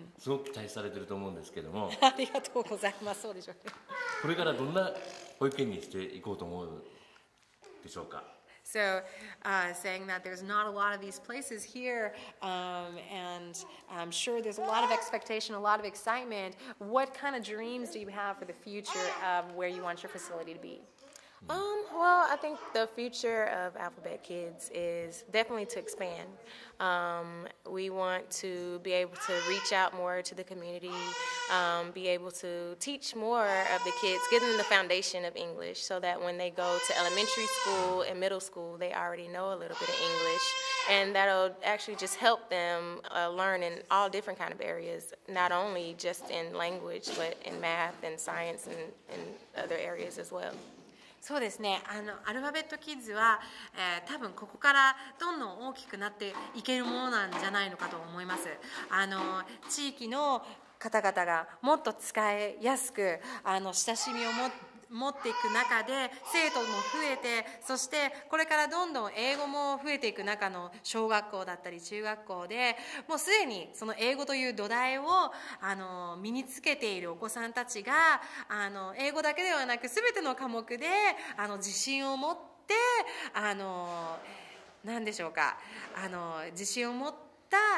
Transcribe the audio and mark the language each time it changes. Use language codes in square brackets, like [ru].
[ja] すごく期待されてると思うんですけども。ありがとうございます。そうでしょうね。これからどんな保育園にしていこうと思うでしょうか。 [en] So, saying that there's not a lot of these places here, and I'm sure there's a lot of expectation, a lot of excitement. What kind of dreams do you have for the future of where you want your facility to be? Well, I think the future of Alphabet Kids is definitely to expand. We want to be able to reach out more to the community, be able to teach more of the kids, give them the foundation of English so that when they go to elementary school and middle school, they already know a little bit of English. And that'll actually just help them learn in all different kind of areas, not only just in language, but in math and science and other areas as well. [ja] そうですね、あのアルファベットキッズは、多分ここからどんどん大きくなっていけるものなんじゃないのかと思います。あの地域の方々がもっと使いやすく、あの親しみを持っていく中で生徒も増えて、そしてこれからどんどん英語も増えていく中の小学校だったり中学校でもうすでにその英語という土台をあの身につけているお子さんたちが、あの英語だけではなく全ての科目であの自信を持って、あの何でしょうか、あの自信を持った